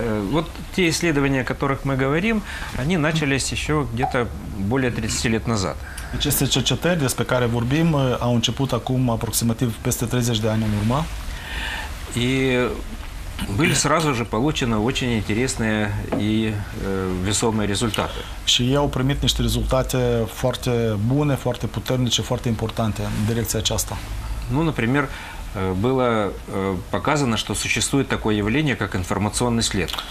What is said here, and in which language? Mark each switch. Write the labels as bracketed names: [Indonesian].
[Russian] Вот те исследования, о которых мы говорим, они начались еще где-то более 30 лет назад. [Romanian] Aceste cercetări despre care vorbim au început acum aproximativ peste 30 de ani în urmă. [Russian] И были сразу же получены очень интересные и весомые результаты. [Romanian] Și ei au primit niște rezultate foarte bune, foarte puternice, foarte importante în direcția aceasta. [Russian] Ну, например, было показано, что существует такое явление, как информационный след.